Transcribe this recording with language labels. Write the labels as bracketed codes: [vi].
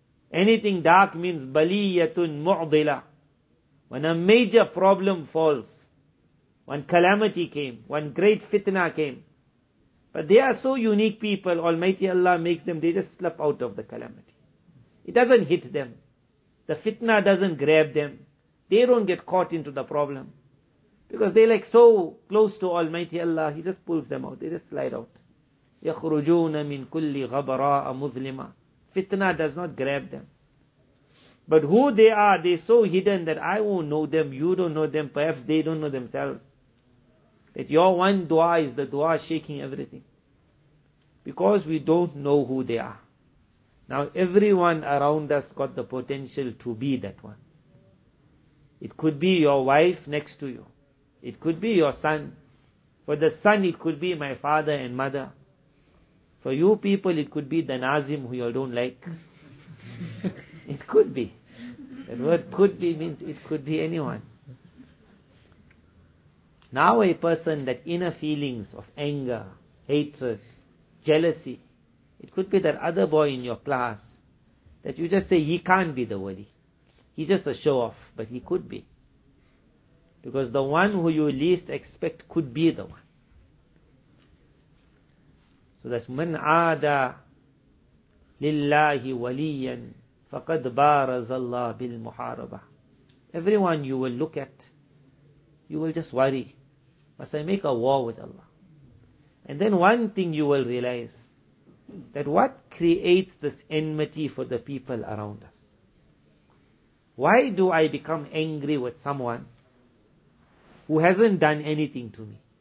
[en] Anything dark means [ar] بَلِيَّةٌ مُعْضِلَةٌ [en] When a major problem falls, when calamity came, when great fitna came, but they are so unique people, Almighty Allah makes them, they just slip out of the calamity. It doesn't hit them. The fitna doesn't grab them. They don't get caught into the problem. Because they're like so close to Almighty Allah, He just pulls them out. They just slide out. [ar] يخرجون من كل غبراء مظلمة. [en] Fitna does not grab them. But who they are, they're so hidden that I won't know them, you don't know them, perhaps they don't know themselves. That your one dua is the dua shaking everything. Because we don't know who they are. Now everyone around us got the potential to be that one. It could be your wife next to you. It could be your son. For the son it could be my father and mother. For you people it could be the Nazim who you don't like. It could be. The word could be means it could be anyone. Now a person that inner feelings of anger, hatred, jealousy, it could be that other boy in your class that you just say he can't be the wali. He's just a show off, but he could be. Because the one who you least expect could be the one. So that's [ar] من عادى لله وليا فقد بارز الله بالمحاربة. [en] Everyone you will look at, you will just worry. Must I make a war with Allah? And then one thing you will realize, that what creates this enmity for the people around us? Why do I become angry with someone who hasn't done anything to me?